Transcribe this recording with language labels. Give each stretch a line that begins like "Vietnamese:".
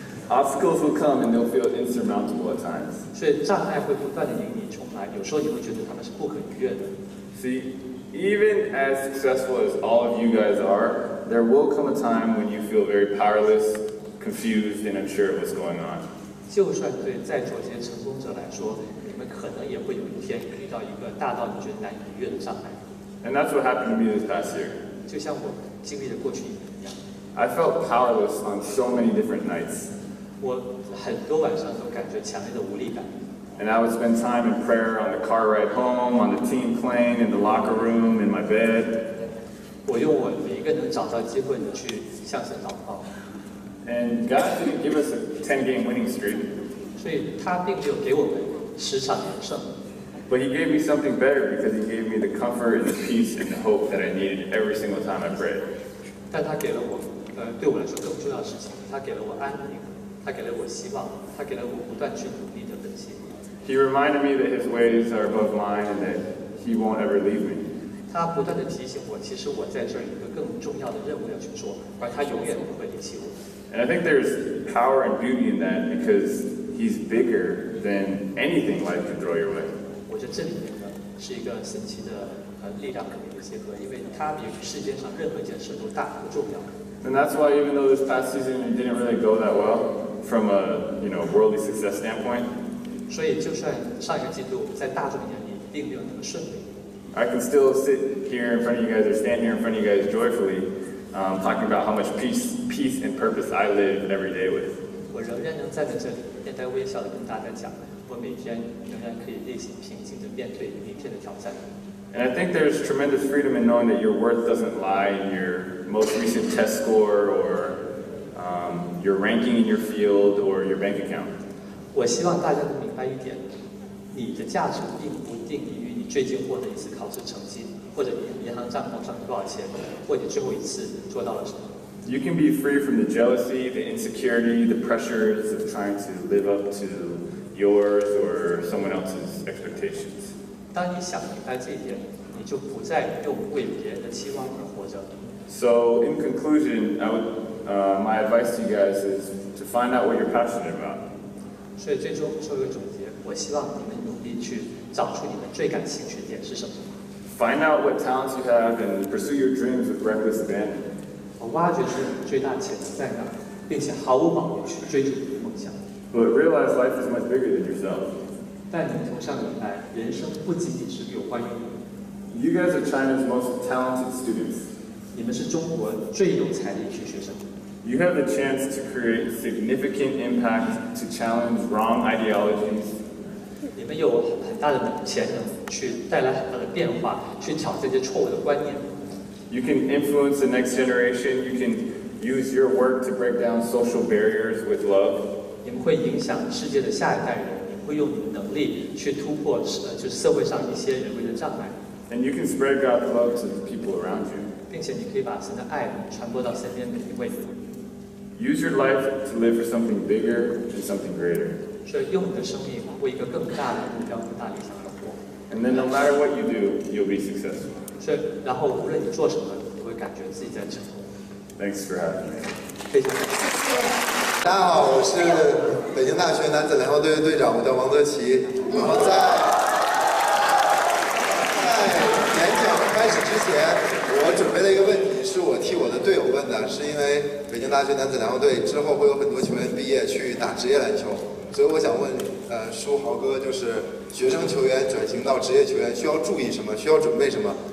English: Obstacles will come and they'll feel insurmountable at times.
Chinese: 所以障碍会不断地迎面冲来，有时候你会觉得他们是不可逾越的。
English: See, even as successful as all of you guys are, there will come a time when you feel very powerless, confused, and unsure of what's going on.
Chinese: 就算对在座这些成功者来说，你们可能也会有一天遇到一个大到你觉得难以逾越的障碍。
English: And that's what happened to me this past year.
Chinese: 就像我经历的过去一年一样。
English: I felt powerless on so many different nights.
Chinese: 我很多晚上都感觉强烈的无力感。
English: And I would spend time in prayer on the car ride home, on the team plane, in the locker room, in my bed.
Chinese: 我用我每一个能找到机会的去向神祷告。
English: And God didn't give us a 10-game winning streak.
Chinese: 所以他并没有给我们十场连胜。
English: But He gave me something better because He gave me the comfort and the peace and the hope that I needed every single time I prayed.
Chinese: 但他给了我，对我来说更重要的事情，他给了我安宁，他给了我希望，他给了我不断去努力的本心。
English: He reminded me that His ways are above mine and that He won't ever leave me.
Chinese: 他不断地提醒我，其实我在这儿有一个更重要的任务要去做，而他永远不会离弃我。
English: And I think there's power and beauty in that because He's bigger than anything life can throw your way.
Chinese: 我觉得这里面呢是一个神奇的力量跟联结合，因为他比世界上任何一件事都大和重要。
English: And that's why even though this past season it didn't really go that well from a, you know, worldly success standpoint,
Chinese: 所以就算上一个季度在大众眼里并没有那么顺利，
English: I can still sit here in front of you guys or stand here in front of you guys joyfully, talking about how much peace and purpose I live every day with.
Chinese: 我仍然能站在这里面带微笑地跟大家讲，我每天仍然可以内心平静地面对明天的挑战。
English: And I think there's tremendous freedom in knowing that your worth doesn't lie in your most recent test score or your ranking in your field or your bank account.
Chinese: 我希望大家能明白一点，你的价值并不定义于你最近获得一次考试成绩，或者你银行账户上有多少钱，或者最后一次做到了什么。
English: You can be free from the jealousy, the insecurity, the pressures of trying to live up to yours or someone else's expectations.
Chinese: 当你想明白这一点，你就不再用为别人的期望而活着。
English: So in conclusion, my advice to you guys is to find out what you're passionate about.
Chinese: 所以最终作为总结，我希望你们努力去找出你们最感兴趣的点是什么。
English: Find out what talents you have and pursue your dreams with reckless abandon.
Chinese: 我挖掘出你最大潜能在哪，并且毫无保留去追逐你的梦想。
English: But realize life is much bigger than yourself.
Chinese: 但你同样明白，人生不仅仅是有关于你。
English: You guys are China's most talented students.
Chinese: 你们是中国最有才的一批学生。
English: You have the chance to create significant impact to challenge wrong ideologies.
Chinese: 你们有很大的潜能去带来很大的变化，去挑战这些错误的观念。
English: You can influence the next generation. You can use your work to break down social barriers with love.
Chinese: 你们会影响世界的下一代人。会用你的能力去突破就社会上一些人为的障碍。
English: And you can spread God's love to the people around you.
Chinese: 并且你可以把神的爱传播到身边每一位。
English: Use your life to live for something bigger and something greater.
Chinese: 所以用你的生命为一个更大的目标、更大理想而活。
English: And then no matter what you do, you'll be successful.
Chinese: 所以然后无论你做什么，你会感觉自己在成功。
English: Thanks for having me.
Chinese: 非常感谢。大家好，我是北京大学男子篮球队的队长，我叫王泽奇，然后在前我准备了一个问题，是我替我的队友问的，是因为北京大学男子篮球队之后会有很多球员毕业去打职业篮球，所以我想问书豪哥，就是学生球员转型到职业球员需要注意什么，需要准备什么。